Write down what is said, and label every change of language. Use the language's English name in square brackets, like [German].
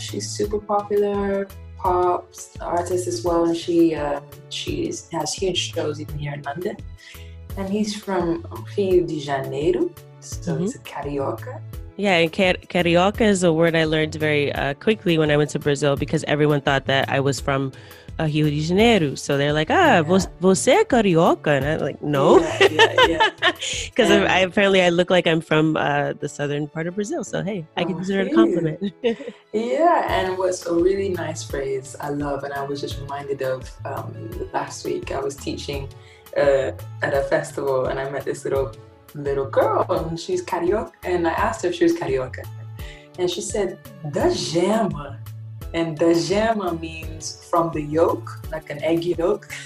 [English] She's super popular. Pop artist as well, and she has huge shows even here in London. And he's from Rio de Janeiro, so it's a carioca. Yeah, and carioca is a word I learned very quickly when I went to Brazil because everyone thought that I was from Rio de Janeiro. So they're like, [Portuguese] você é carioca? [English] And I'm like, no. Because apparently I look like I'm from the southern part of Brazil. So, hey, I can consider it a compliment. Yeah, and what's a really nice phrase I love, and I was just reminded of last week, I was teaching at a festival and I met this little girl, and she's carioca, and I asked her if she was carioca, and she said [Portuguese] da gema, [English] and da gema means from the yolk, like an egg yolk.